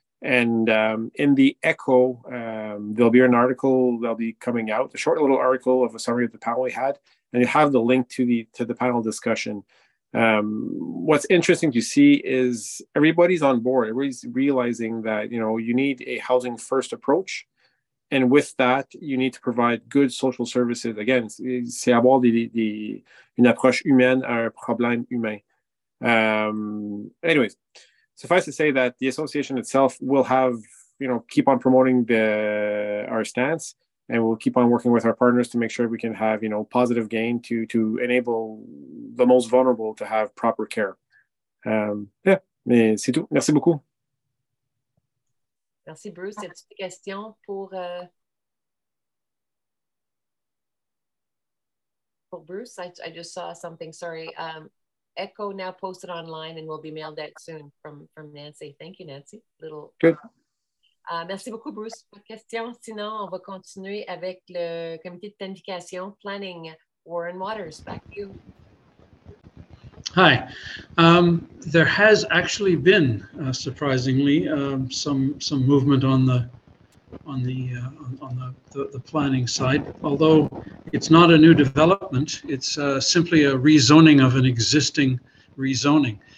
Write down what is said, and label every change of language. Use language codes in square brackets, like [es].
[en] And in the Echo, there'll be an article that'll be coming out, a short little article of a summary of the panel we had, and you have the link to the panel discussion. What's interesting to see is everybody's on board. Everybody's realizing that, you know, you need a housing first approach. And with that, you need to provide good social services. [fr] Again, c'est avoir une approche humaine à un problème humain. Anyways, [en] suffice to say that the association itself will have, you know, keep on promoting our stance, and we'll keep on working with our partners to make sure we can have, you know, positive gain to enable the most vulnerable to have proper care. [fr] Yeah, mais c'est tout. Merci beaucoup. Merci, Bruce. Y a-t-il des questions pour Bruce? [en] I just saw something, sorry. Echo now posted online and will be mailed out soon from Nancy. Thank you, Nancy. Little good. [fr] Merci beaucoup, Bruce. Pas de questions. Sinon, on va continuer avec le comité de planification, planning, Warren Waters. [en] Back to you. Hi. There has actually been, surprisingly, some movement on the planning side. Although it's not a new development, it's simply a rezoning of an existing rezoning.